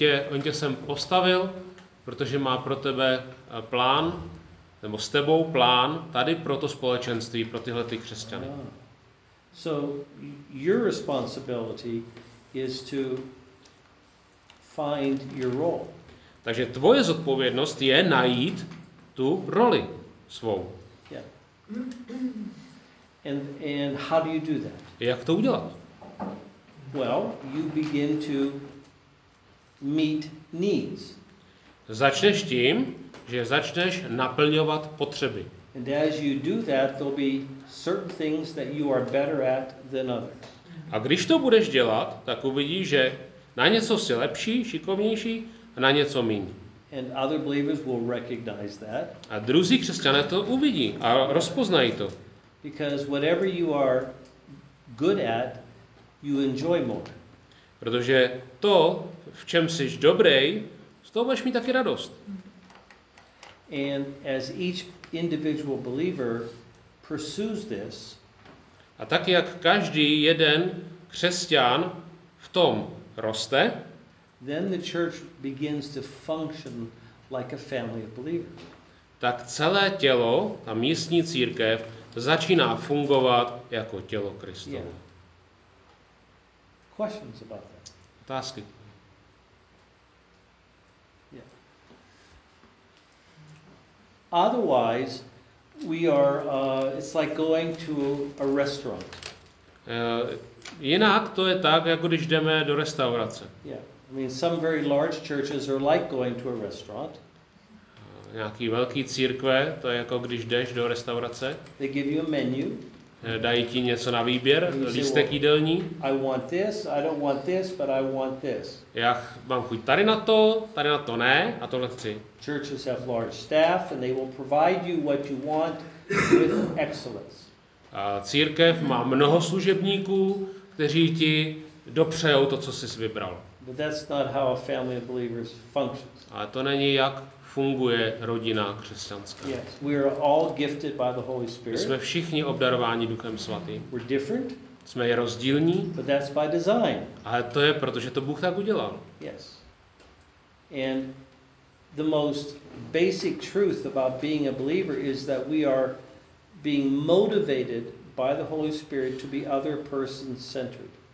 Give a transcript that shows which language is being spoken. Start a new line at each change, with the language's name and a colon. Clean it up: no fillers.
Czech: On tě sem postavil, protože má pro tebe plán, nebo s tebou plán tady pro to společenství, pro tyhle ty křesťany.
English: So your responsibility is to find your role.
Czech: Takže tvoje zodpovědnost je najít tu roli svou.
English: Yeah. And how do you do that?
Czech: Jak to udělat?
English: Well, you begin to meet needs.
Czech: Začneš tím, že začneš naplňovat potřeby.
English: And as you do that, there'll be certain things that you are better at than others.
Czech: A když to budeš dělat, tak uvidíš, že na něco jsi lepší, šikovnější a na něco míň.
English: And other believers will recognize that.
Czech: A druzí křesťané to uvidí a rozpoznají to.
English: Because whatever you are good at, you enjoy more.
Czech: Protože to, v čem jsi dobrý, z toho budeš mít taky radost.
English: And as each individual believer pursues this,
Czech: a tak jak každý jeden křesťan v tom roste,
English: then the church begins to function like a family of believers.
Czech: Tak celé tělo, ta místní církev, začíná fungovat jako tělo Kristovo.
English: Yeah. Questions about that?
Czech: Otázky.
English: Yeah. Otherwise, we are it's like going to a restaurant.
Czech: Jinak to je tak, jako když jdeme do restaurace.
English: Yeah. I mean, some very large churches are like going to a restaurant.
Czech: nějaký velký církve, to je jako když jdeš do restaurace.
English: They give you a menu.
Czech: Dají ti něco na výběr, lístek jídelní.
English: I want this, I don't want this, but I want this.
Czech: Já mám chuť tady na to ne, a tohle chci.
English: Churches have large staff and they will provide you what you want with excellence.
Czech: A církev má mnoho služebníků, kteří ti dopřejou to, co jsi vybral.
English: But that's not how a family of believers functions.
Czech: Ale to není jak funguje rodina křesťanská.
English: Yes, we are all gifted by the Holy Spirit.
Czech: Jsme všichni obdarováni Duchem svatým.
English: We're different.
Czech: Jsme je rozdílní.
English: But that's by design.
Czech: Ale to je proto, že to Bůh tak udělal.
English: Yes. And the most basic truth about being a believer is that we are being motivated by the Holy Spirit to be other person centered.